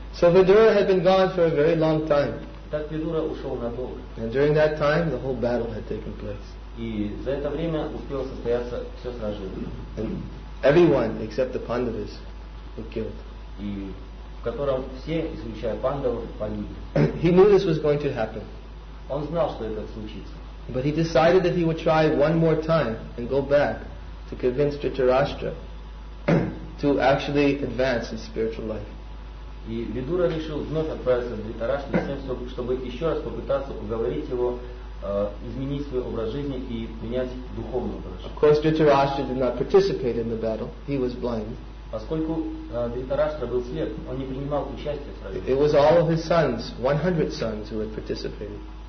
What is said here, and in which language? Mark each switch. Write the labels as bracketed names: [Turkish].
[English] So Vidura had been gone for a very long time. [Russian] Так Vidura ушел надолго. [English] And during that time, the whole battle had taken place. [Russian] И за это время успело состояться все сражение. [English] And everyone except the Pandavas were killed. [Russian] И в котором все, исключая Пандавов, погибли. [English] He knew this was going to happen. [Russian] Он знал, что это случится. [English] But he decided that he would try one more time and go back to convince Dhritarashtra to actually advance his spiritual life. [Russian] И Vidura решил вновь отправиться в Дхритараштру, чтобы еще раз попытаться уговорить его изменить свой образ жизни и принять духовный образ жизни. [English] Of course, Dhritarashtra did not participate in the battle. He was blind. [Russian] Поскольку Дхритараштра был слеп, он не принимал участия в сражении. [English] It was all of his sons, 100 sons who had participated.